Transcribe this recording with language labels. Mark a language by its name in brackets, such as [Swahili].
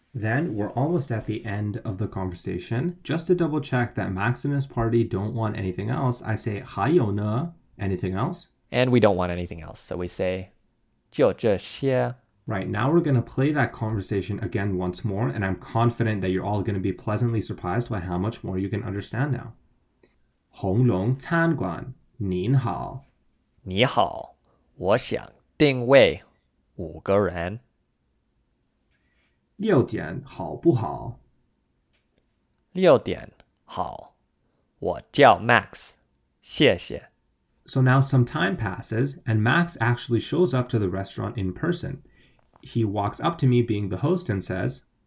[English] Then we're almost at the end of the conversation. Just to double check that Max and his party don't want anything else, I say [Chinese] 还有呢, [English] anything else? And we don't want anything else, so we say [Chinese] 就这些. [English] Right, now we're going to play that conversation again once more, and I'm confident that you're all going to be pleasantly surprised by how much more you can understand now. [Chinese] 红龙餐馆,您好。你好,我想定位五个人。六点好不好?六点好,我叫Max,谢谢。 [English] So now some time passes, and Max actually shows up to the restaurant in person. He walks up to me being the host and says,